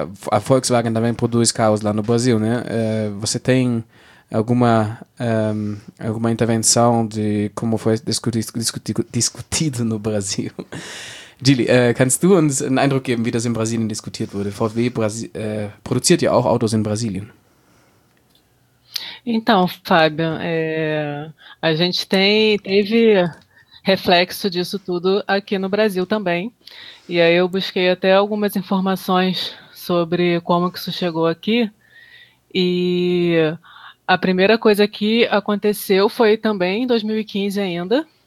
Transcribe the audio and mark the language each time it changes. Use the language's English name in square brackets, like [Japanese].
[Portuguese] A Volkswagen também produz carros lá no Brasil, né? Você tem alguma intervenção de como foi discutido no Brasil? [German] Gili, kannst du uns einen Eindruck geben, wie das in Brasilien diskutiert wurde? VW produziert ja auch Autos in Brasilien. [Portuguese] Então, Fábio, a gente teve reflexo disso tudo aqui no Brasil também. E aí eu busquei até algumas informações sobre como que isso chegou aqui. E a primeira coisa que aconteceu foi também em 2015 ainda.